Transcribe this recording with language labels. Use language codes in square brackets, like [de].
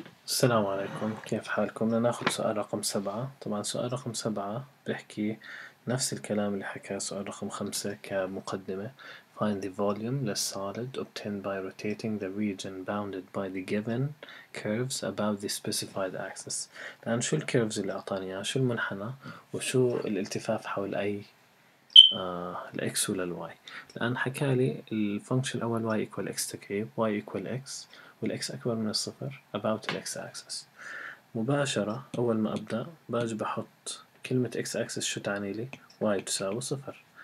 [ar] السلام عليكم، كيف حالكم؟ بدنا ناخذ سؤال رقم 7. طبعا سؤال رقم 7 بحكي نفس الكلام اللي حكاه سؤال رقم 5 كمقدمة. [en] Find the volume of the solid obtained by rotating the region bounded by the given curves about the specified axis. [ar] الآن شو الكيرفز اللي أعطاني إياها؟ شو المنحنى؟ وشو الالتفاف حول أي الإكس ولا الواي؟ الآن حكى لي الفانكشن الأول [en] y equal x [ar] تكعيب، y equal x، والإكس أكبر من الصفر about الإكس أكسس. مباشرة أول ما أبدأ باجي بحط كلمة إكس أكسس، شو تعني لي؟ y تساوي صفر.